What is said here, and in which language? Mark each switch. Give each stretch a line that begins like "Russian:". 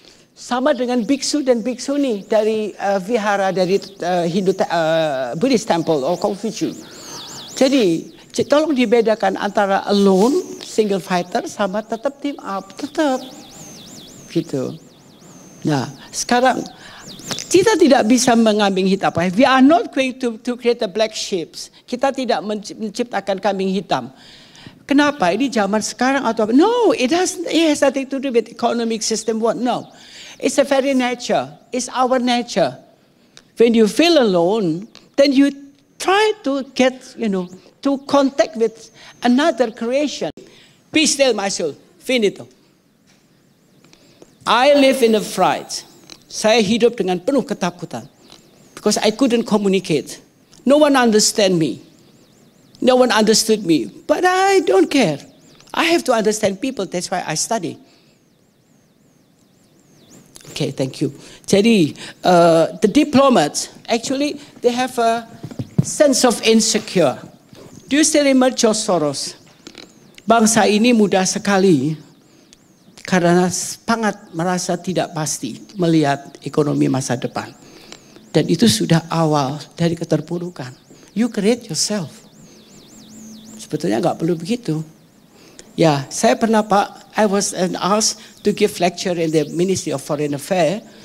Indonesian: Sama dengan biksu dan biksuni dari vihara, dari Hindu Buddhist temple or Confucius. Jadi tolong dibedakan antara alone, single fighter, sama tetap team up, tetap. Gitu. Nah, sekarang kita tidak bisa mengambing hitam.
English: We are not going to create a black sheep.
Indonesian: Kita tidak menciptakan kambing hitam. Kenapa? Ini zaman sekarang atau apa?
English: No, it has nothing to do with economic system. What? No. It's a very nature. It's our nature. When you feel alone, then you try to get, you know, to contact with another creation. Be still, my soul. Finito. I live in a fright.
Indonesian: Saya hidup dengan penuh ketakutan.
English: Because I couldn't communicate. No one understand me. No one understood me. But I don't care. I have to understand people. That's why I study. Okay, thank you.
Indonesian: Jadi,
English: the diplomats, actually, they have a sense of insecure. Do you still remember George Soros?
Indonesian: Bangsa ini mudah sekali karena sangat merasa tidak pasti melihat ekonomi masa depan. Dan itu sudah awal dari keterpurukan.
English: You create yourself.
Indonesian: Sebetulnya enggak perlu begitu. Ya, saya pernah Pak,
English: I was asked to give lecture in the Ministry of Foreign Affairs.